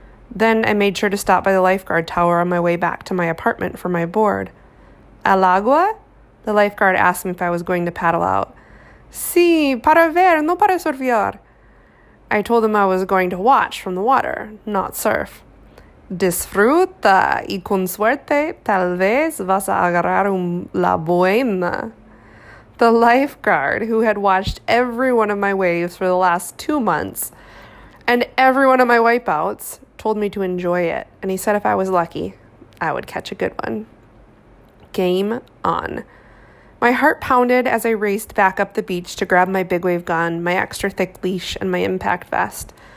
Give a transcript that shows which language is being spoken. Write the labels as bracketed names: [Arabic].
[English] Then I made sure to stop by the lifeguard tower on my way back to my apartment for my board. [Spanish] ¿Al agua? [English] The lifeguard asked me if I was going to paddle out. [Spanish] Sí, para ver, no para surfear. [English] I told him I was going to watch from the water, not surf. [Spanish] Disfruta y con suerte, tal vez vas a agarrar la buena. [English] The lifeguard, who had watched every one of my waves for the last 2 months and every one of my wipeouts, told me to enjoy it, and he said if I was lucky, I would catch a good one. Game on. My heart pounded as I raced back up the beach to grab my big wave gun, my extra thick leash, and my impact vest.